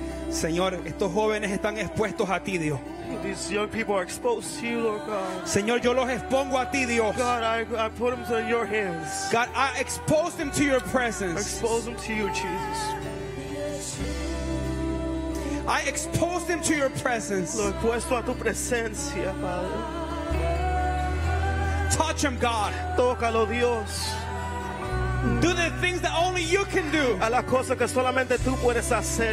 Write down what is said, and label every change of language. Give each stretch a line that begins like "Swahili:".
Spanish: Señor, estos jóvenes están expuestos a ti, Dios.
English: These young people are exposed to you, Lord God.
Spanish: Señor, yo los expongo a ti, Dios.
English: God, I put them in your hands. God, I expose them to your presence. I expose them to you, Jesus. I expose them to your presence.
Spanish: Lo expuesto a tu presencia, Padre.
English: Touch him, God.
Spanish: Tócalo, Dios.
English: Do the things that only you can do.
Spanish: A la cosa que solamente tú puedes hacer.